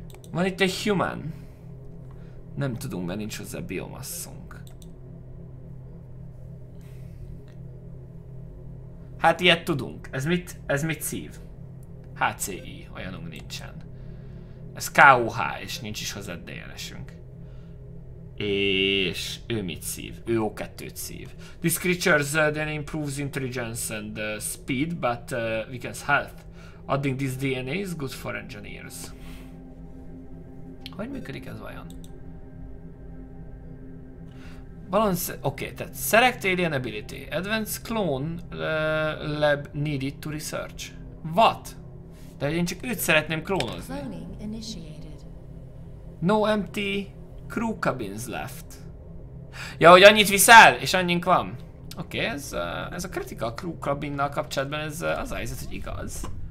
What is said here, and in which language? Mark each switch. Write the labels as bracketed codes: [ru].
[hu] Van itt egy human. Nem tudunk, mert nincs hozzá biomasszunk. Hát ilyet tudunk. Ez mit szív? HCI. Olyanunk nincsen. Ez KUH, és nincs is hozzá DNS-ünk. És ő mit szív? Ő O2-t szív. [en] This creature then improves intelligence and speed, but weakens health. Adding this DNA is good for engineers. [hu] Hogy működik ez vajon? [en] Balance... [hu] oké, tehát [en] select alien ability. Advanced clone lab needed to research. What? [hu] De én csak őt szeretném klónozni. [en] Cloning initiated. No empty... crew cabins left. [hu] Ja, hogy annyit viszel, és annyink van. Oké, ez a critical crew cabinnal kapcsolatban ez az a helyzet, hogy igaz.